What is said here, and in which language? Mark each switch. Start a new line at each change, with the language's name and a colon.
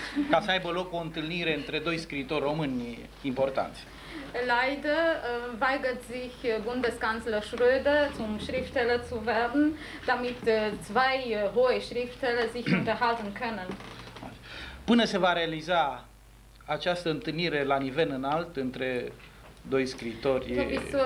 Romanian: Ca să aibă loc o întâlnire între doi scriitori români importanți.
German: Leider weigert sich Bundeskanzler Schröder zum Schriftsteller zu werden, damit zwei hohe Schriftsteller sich unterhalten können.
Romanian: Până se va realiza această întâlnire la nivel înalt între doi scriitori.